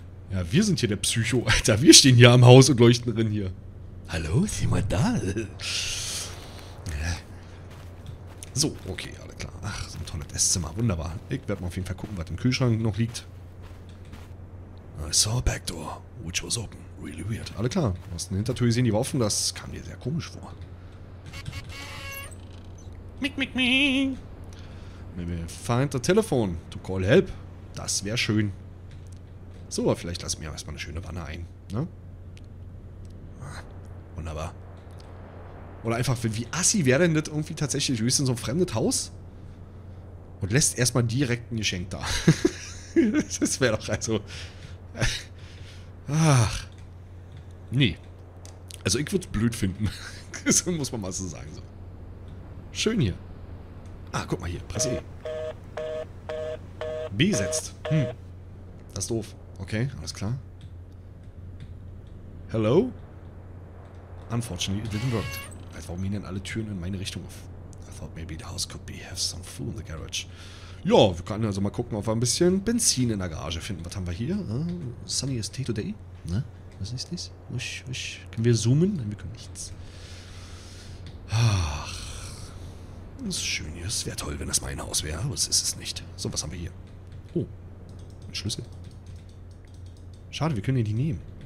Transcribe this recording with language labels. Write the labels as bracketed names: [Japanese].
[German] Ja, wir sind hier der Psycho, Alter. Wir stehen hier am Haus und leuchten drin hier. Hallo, sieh mal da. Ja. So, okay, alles klar. Ach, so ein tolles Esszimmer. Wunderbar. Ich werde mal auf jeden Fall gucken, was im Kühlschrank noch liegt. [English] I saw a back door, which was open. Really weird. [German] Alle klar. Du hast eine Hintertür gesehen, die war offen. Das kam dir sehr komisch vor. Mick, mick, me. [English] Maybe find the telephone to call help. [German] Das wäre schön. So, aber vielleicht lass mir erstmal eine schöne Wanne ein. Ne? Wunderbar. Oder einfach, wie assi wäre denn das irgendwie tatsächlich? Du bist in so ein fremdes Haus und lässt erstmal direkt ein Geschenk da. Das wäre doch also. Ach. Nee. Also ich würde es blöd finden. So muss man mal so sagen. So. Schön hier. Ah, guck mal hier. Press E. B setzt. Hm. Das ist doof. Okay, alles klar. [English] Hello? Unfortunately, it didn't work. [German] Also, warum gehen denn alle Türen in meine Richtung auf? [English] I thought maybe the house could be have some fuel in the garage. [German] Ja, wir können also mal gucken, ob wir ein bisschen Benzin in der Garage finden. Was haben wir hier? [English] Sunniest day today? [German] Ne? Was ist das? Wusch, wusch. Können wir zoomen? Nein, wir können nichts. Ach. Das ist schön hier. Es wäre toll, wenn das mein Haus wäre, aber es ist es nicht. So, was haben wir hier? Oh. Ein Schlüssel. Schade, wir können ihn nicht nehmen.